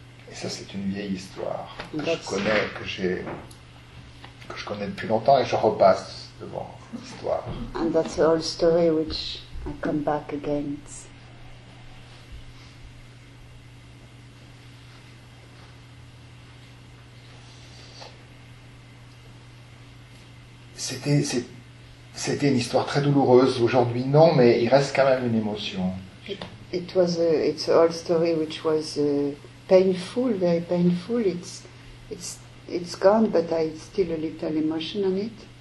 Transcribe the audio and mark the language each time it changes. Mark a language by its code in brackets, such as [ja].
[fr] Et ça c'est une vieille histoire que je connais, que je connais depuis longtemps et je repasse devant l'histoire. [en] And that's an old story which I come back against. [fr] C'était une histoire très douloureuse. Aujourd'hui, non, mais il reste quand même une émotion. [en] It's an old story which was painful, very painful. It's gone, but I still a little emotion on it.